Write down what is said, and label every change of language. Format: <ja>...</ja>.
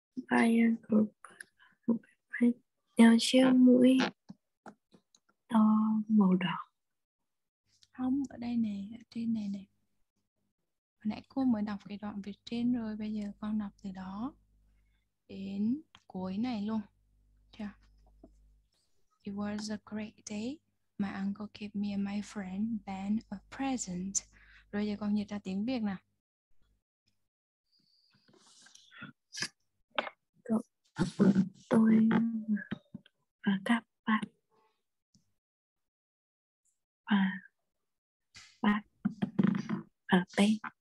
<vi>Bài đeo chiếc mũi to màu đỏ. Không, ở đây này, ở trên này này. Hồi nãy cô mới đọc cái đoạn về trên rồi, bây giờ con đọc từ đó đến cuối này luôn.</vi> <en>Yeah. It was a great day. My uncle gave me and my friend Ben a present.</en> <vi>Rồi giờ con dịch ra tiếng Việt nào. Tôi và các bạn và bạn ở đây.</vi>